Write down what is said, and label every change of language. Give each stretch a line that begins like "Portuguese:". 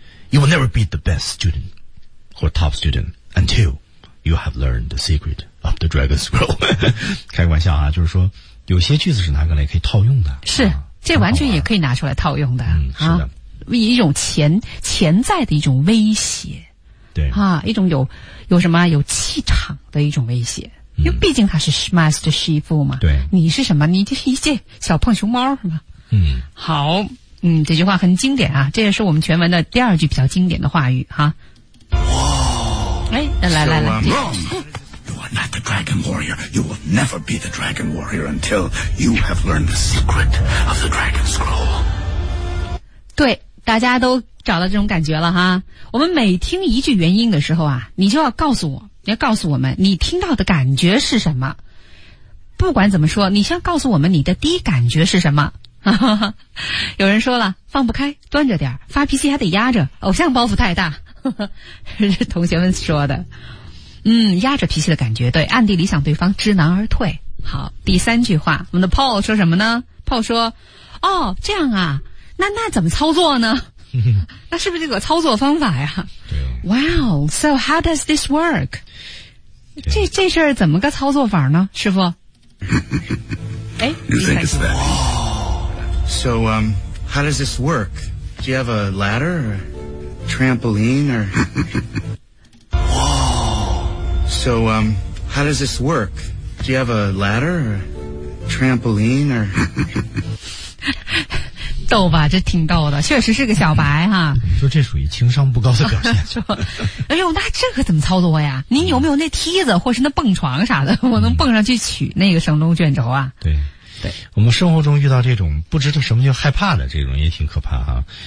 English: You will never be the best student or top student until you have learned the secret of the dragon scroll.
Chinese: 开个玩笑啊，就是说有些句子是拿过来可以套用的。是、啊、这完全也可以拿出来套用的。是的。一种潜在的一种威胁。对。啊，一种有什么有气场的一种威胁。因为毕竟他是 Master 师傅嘛，对，你是什么？你就是一介小胖熊猫是吗？嗯，好，嗯，这句话很经典啊，这也是我们全文的第二句比较经典的话语哈。哇！哎，来
English: 。 So I'm wrong. You are not the dragon warrior. You will never be the dragon warrior until you have learned the secret of the dragon scroll.
Chinese: 对，大家都找到这种感觉了哈。我们每听一句原因的时候啊，你就要告诉我。你要告诉我们你听到的感觉是什么，不管怎么说你先告诉我们你的第一感觉是什么。有人说了，放不开端着点，发脾气还得压着，偶像包袱太大。是同学们说的。嗯，压着脾气的感觉，对，暗地里想对方知难而退。好，第三句话我们的 Paul 说什么呢？Paul 说，哦，这样啊，那怎么操作呢？那是不是这个操作方法呀？对。
English: Wow, so how does this work?
Chinese: 这事儿怎么个操作法呢，师傅？
English: You think it's that? So, how does this work? Do you have a ladder or trampoline or? So, how does this work? Do you have a ladder or trampoline or?
Chinese: 逗吧，这挺逗的，确实是个小白哈。你说这属于情商不高的表现。哎呦，那这可怎么操作呀？您有没有那梯子或是那蹦床啥的，我能蹦上去取那个神龙卷轴啊？对，对，我们生活中遇到这种不知道什么叫害怕的这种也挺可怕哈。